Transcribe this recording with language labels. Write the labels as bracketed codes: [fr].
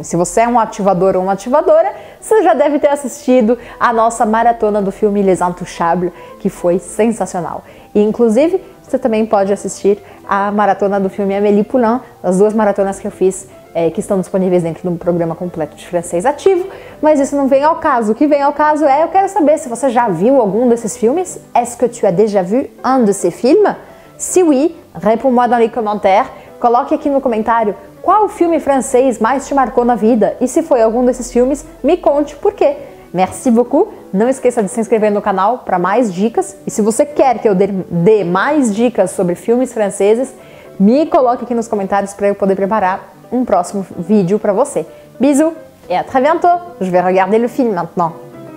[pt] E se você é um ativador ou uma ativadora, você já deve ter assistido a nossa maratona do filme Les Intouchables, que foi sensacional. E, inclusive, você também pode assistir a maratona do filme Amélie Poulain, as duas maratonas que eu fiz, que estão disponíveis dentro de um programa completo de francês ativo, mas isso não vem ao caso. O que vem ao caso é, eu quero saber se você já viu algum desses filmes. [fr] Est-ce que tu as déjà vu un de ces films? Si oui, réponds-moi dans les commentaires. [pt] Coloque aqui no comentário qual filme francês mais te marcou na vida e se foi algum desses filmes, me conte por quê. [fr] Merci beaucoup. [pt] Não esqueça de se inscrever no canal para mais dicas. E se você quer que eu dê mais dicas sobre filmes franceses, me coloque aqui nos comentários para eu poder preparar um próximo vídeo para você. [fr] Bisous et à très bientôt. Je vais regarder le film maintenant.